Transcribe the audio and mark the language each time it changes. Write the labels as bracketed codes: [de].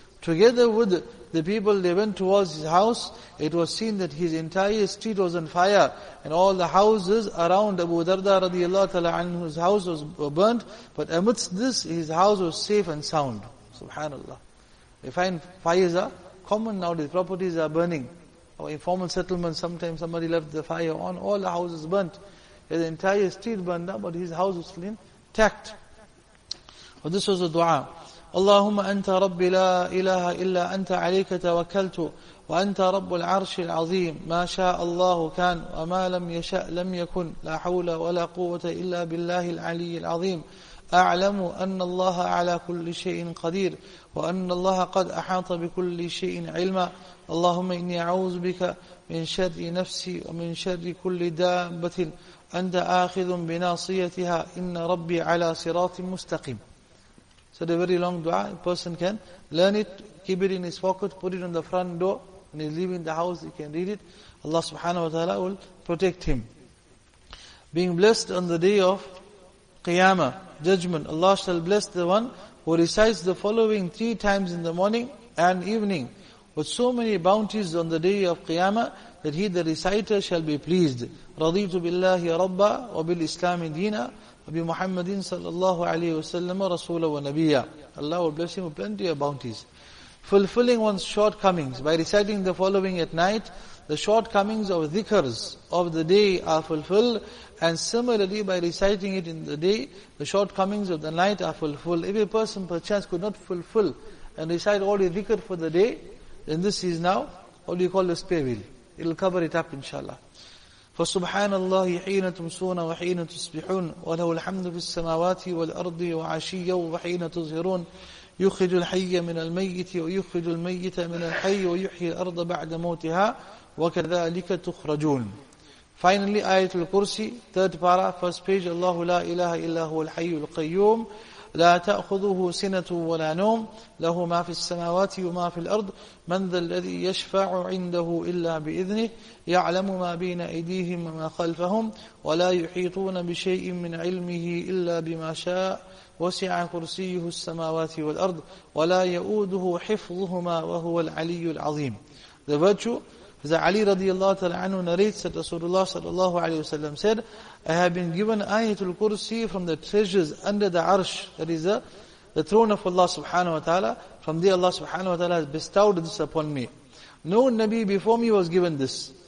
[en] Together with the people, they went towards his house. It was seen that his entire street was on fire, and all the houses around Abu Darda radiallahu ta'ala anhu's house were burnt, but amidst this, his house was safe and sound. Subhanallah. We find fires are common nowadays, properties are burning. Our informal settlements, sometimes somebody left the fire on, all the houses burnt. His entire street burned up, but his house was still intact. But this was a dua. [ar] اللهم أنت رب لا إله إلا أنت عليك توكلت وأنت رب العرش العظيم ما شاء الله كان وما لم يشاء لم يكن لا حول ولا قوة إلا بالله العلي العظيم أعلم أن الله على كل شيء قدير وأن الله قد أحاط بكل شيء علما اللهم إني أعوذ بك من شر نفسي ومن شر كل دابة أنت آخذ بناصيتها إن ربي على صراط مستقيم. [en] So the very long dua, a person can learn it, keep it in his pocket, put it on the front door. When he's leaving the house, he can read it. Allah subhanahu wa ta'ala will protect him. Being blessed on the day of Qiyamah, judgment, Allah shall bless the one who recites the following three times in the morning and evening with so many bounties on the day of Qiyamah that he, the reciter, shall be pleased. [ar] رَضِيْتُ بِاللَّهِ رَبَّا وَبِالْإِسْلَامِ دِينًا وَبِمُحَمَّدٍ صَلَى اللَّهُ عَلَيْهُ وَسَلَّمَ رَسُولًا وَنَبِيًّا. [en] Allah will bless him with plenty of bounties. Fulfilling one's shortcomings by reciting the following at night, the shortcomings of dhikrs of the day are fulfilled, and similarly by reciting it in the day, the shortcomings of the night are fulfilled. If a person perchance could not fulfill and recite all the dhikr for the day, then this is now what we call the spare wheel. It'll cover it up, inshallah. [ar] فَسُبْحَانَ اللَّهِ حِينَ تُمْسُونَ وَحِينَ تُصْبِحُونَ وَلَهُ الْحَمْدُ فِي السَّمَاوَاتِ وَالْأَرْضِ وَعَشِيًّا وَحِينَ تُظْهِرُونَ يخرج الحي من الميت ويخرج الميت من الحي ويحيي الأرض بعد موتها وكذلك تخرجون. [en] Finally, آية الكرسي, third para, first page. [ar] الله لا إله إلا هو الحي القيوم لا تأخذه سنة ولا نوم له ما في السماوات وما في الأرض من ذا الذي يشفع عنده إلا بإذنه يعلم ما بين أيديهم وما خلفهم ولا يحيطون بشيء من علمه إلا بما شاء وسع كرسيه السماوات والأرض ولا يؤوده حفظهما وهو العلي العظيم. [en] The virtue, the Ali radiallahu ta'ala anhu narrates that Rasulullah sallallahu alayhi wa sallam said, I have been given ayatul kursi from the treasures under the arsh, that is the throne of Allah subhanahu wa ta'ala. From there Allah subhanahu wa ta'ala has bestowed this upon me. No Nabi before me was given this.